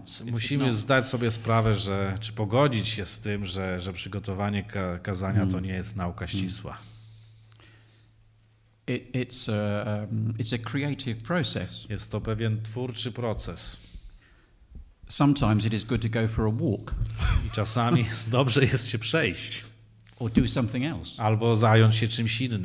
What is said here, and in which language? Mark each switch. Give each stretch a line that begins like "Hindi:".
Polish: Musimy zdać sobie sprawę, że czy pogodzić się z tym, że przygotowanie kazania to nie jest nauka ścisła.
English: It's a creative process.
Polish: Jest to pewien twórczy proces.
English: Sometimes it is good to go for a walk.
Polish: I czasami dobrze jest się przejść.
English: Or do something else.
Polish: Albo zająć się czymś innym.